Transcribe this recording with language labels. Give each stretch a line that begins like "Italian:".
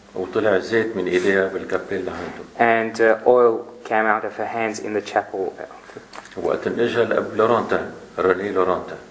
Arabic: وطلع زيت من إيديها بالكابيلا عنده.
English: And oil came out of her hands in the chapel.
Arabic: وقت إجا الأب لورانتا رني لورانتا.